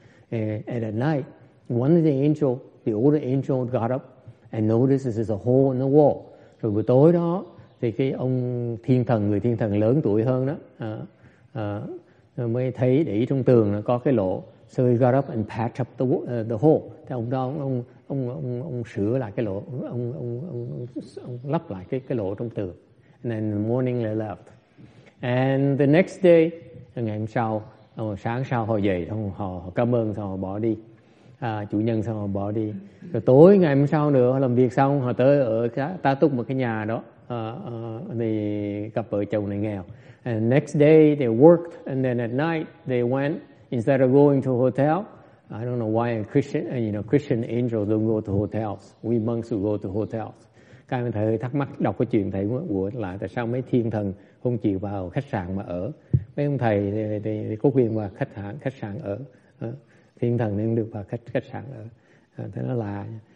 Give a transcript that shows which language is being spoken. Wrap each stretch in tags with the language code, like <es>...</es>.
<en>And at night, one of the older angel got up and noticed there's a hole in the wall.</en> <vi>Rồi buổi tối đó, thì cái ông thiên thần, người thiên thần lớn tuổi hơn đó, mới thấy để ý trong tường nó có cái lỗ.</vi> <en>So he got up and patched up the hole.</en> <vi>Thì ông đó ông sửa lại cái lỗ, ông lắp lại cái lỗ trong tường.</vi> <en>And then in the morning they left. And the next day,</en> <vi>ngày hôm sau, sáng sau họ dậy, họ cảm ơn xong họ bỏ đi. Chủ nhân xong họ bỏ đi. Rồi tối ngày hôm sau nữa, họ làm việc xong, họ tới ở ta túc một cái nhà đó. Thì cặp vợ chồng này nghèo.</vi> <en>And the next day they worked, and then at night they went, instead of going to a hotel. I don't know why Christian angels don't go to hotels. We monks will go to hotels.</en> <vi>Các anh thầy thắc mắc đọc cái chuyện thầy của lại tại sao mấy thiên thần không chịu vào khách sạn mà ở. Mấy ông thầy thì có quyền vào khách sạn ở. Thiên thần nên được vào khách sạn ở. Thế nó lạ.</vi>